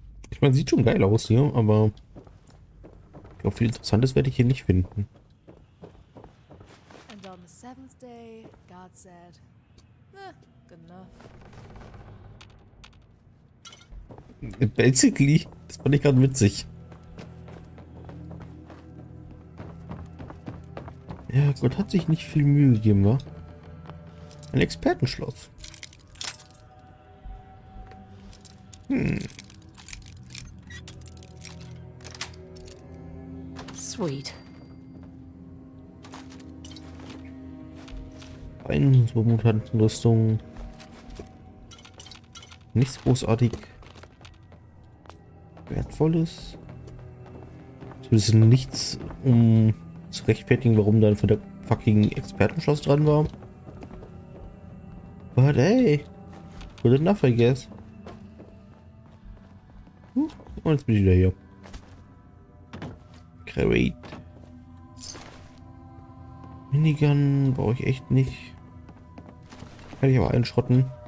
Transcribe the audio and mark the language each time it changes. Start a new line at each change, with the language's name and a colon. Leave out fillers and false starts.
German: Ich meine, sieht schon geil aus hier, aber ich glaube, viel Interessantes werde ich hier nicht finden.
English: And on the seventh day, God said, good enough. Basically,
German: das fand ich gerade witzig. Ja, Gott hat sich nicht viel Mühe gegeben, wa? Ein Expertenschloss.
English: Sweet.
German: Eine super Mutantenrüstung. Nichts großartig. Wertvolles. Zumindest nichts, um zu rechtfertigen, warum dann von der fucking Expertenschloss dran war.
English: But hey, good enough, I guess.
German: Und jetzt bin ich wieder hier.
English: Great.
German: Minigun brauche ich echt nicht. Kann ich aber einschrotten.